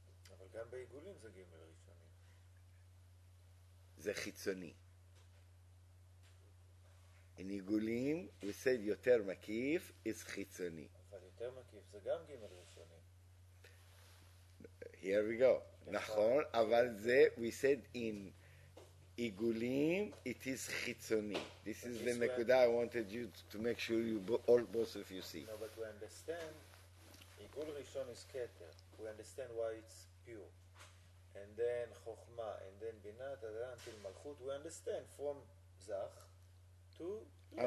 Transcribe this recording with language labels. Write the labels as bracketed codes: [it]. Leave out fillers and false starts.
[he] אבל גם בעיגולים זה גימל רישונים. זה חיצוני. [en] In עיגולים, we said [he] יותר מקיף [en] is חיצוני. [he] אבל יותר מקיף זה גם גימל רישונים. [en] Here we go. [he] נכון, אבל זה, [en] we said in Igulim, it is chitzoni. This is the nekuda I wanted you to make sure you both of you see. No, but we understand igul rishon is keter. We understand why it's pure. And then chokhmah, and then binat, until malchut, we understand from zach to lesa.